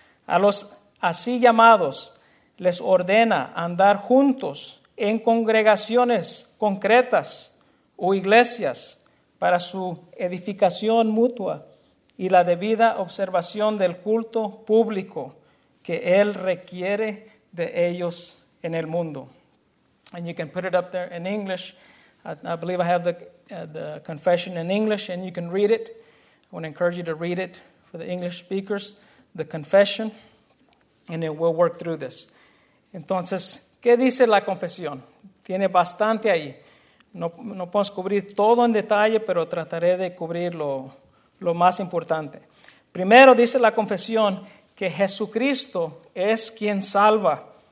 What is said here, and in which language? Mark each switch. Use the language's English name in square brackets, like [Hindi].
[Spanish] A los así llamados les ordena andar juntos en congregaciones concretas o iglesias para su edificación mutua y la debida observación del culto público que Él requiere de ellos en el mundo. [English] And you can put it up there in English. I believe I have the confession in English, and you can read it. I want to encourage you to read it for the English speakers, the confession, and then we'll work through this. [Spanish] Entonces, ¿qué dice la confesión? Tiene bastante ahí. No podemos cubrir todo en detalle, pero trataré de cubrirlo. Lo más importante. Primero dice la confesión que Jesucristo es quien salva.